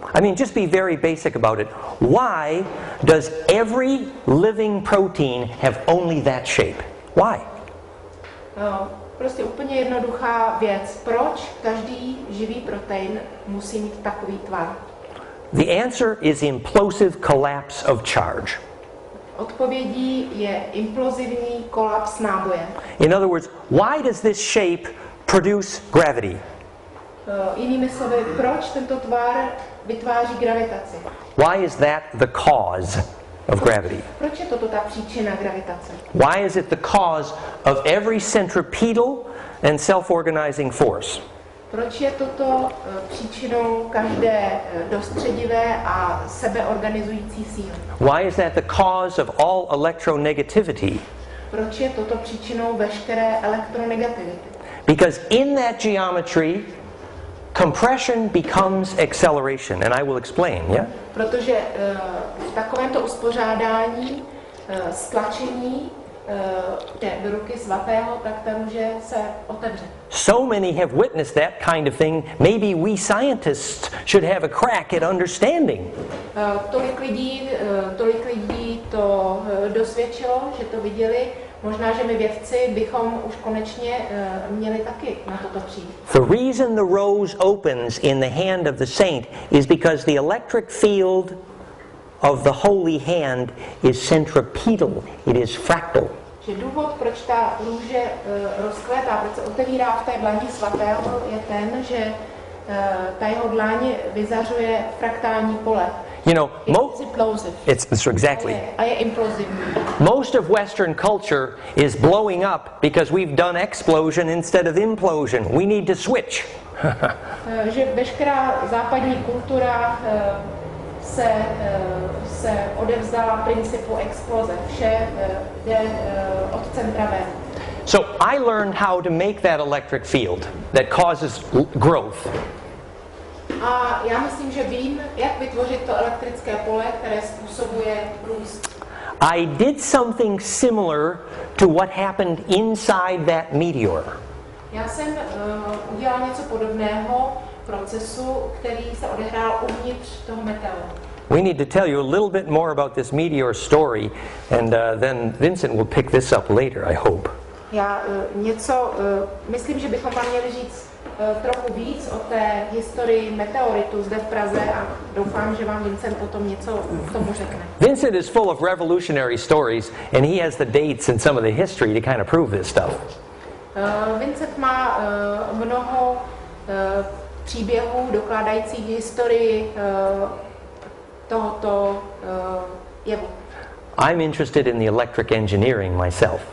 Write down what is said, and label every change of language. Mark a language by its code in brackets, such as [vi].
[en] I mean, just be very basic about it. Why does every living protein have only that shape? Why? [cs] Prostě úplně jednoduchá věc. Proč každý živý protein musí mít takový tvar? [en] The answer is implosive collapse of charge. [cs] Odpovědí je implozivní kolaps náboje. [en] In other words, why does this shape produce gravity? [cs] Jinými slovy, proč tento tvar vytváří gravitaci? [en] Why is that the cause of gravity? [cs] Proč je toto ta příčina gravitace? [en] Why is it the cause of every centripetal and self-organizing force? [cs] Proč je toto příčinou každé dostředivé a sebeorganizující síly? [en] Why is that the cause of all electronegativity? [cs] Proč je toto příčinou veškeré elektronegativity? [en] Because in that geometry, compression becomes acceleration, and I will explain, yeah? [cs] Protože v takovémto uspořádání stlačení do ruky svatého, tak ta může se otevřet. [en] So many have witnessed that kind of thing. Maybe we scientists should have a crack at understanding. [cs] Tolik lidí to dosvědčilo, že to viděli. Možná, že my vědci bychom už konečně měli taky na toto přijít. [en] The reason the rose opens in the hand of the saint is because the electric field of the holy hand is centripetal. It is fractal. [cs] Že důvod, proč ta růže rozkvétá, proč se otevírá v té dlani svatého, je ten, že ta jeho dlaň vyzařuje fraktální pole. [en] You know, it's implosive. It's exactly. I am implosive. Most of Western culture is blowing up because we've done explosion instead of implosion. We need to switch. [cs] Že veškerá západní kultura se odevzdala principu exploze. Vše jde od centra ven. [en] So I learned how to make that electric field that causes growth. [cs] A já myslím, že vím, jak vytvořit to elektrické pole, které způsobuje růst. [en] I did something similar to what happened inside that meteor. [cs] Já jsem udělal něco podobného procesu, který se odehrál uvnitř toho metalu. [en] We need to tell you a little bit more about this meteor story, and then Vincent will pick this up later, I hope. [cs] Já myslím, že bychom vám měli říct trochu víc o té historii meteoritu zde v Praze a doufám, že vám Vincent potom něco k tomu řekne. [en] Vincent is full of revolutionary stories and he has the dates and some of the history to kind of prove this stuff. [cs] Vincent má mnoho příběhů dokládajících historii tohoto jevu. [en] I'm interested in the electric engineering myself.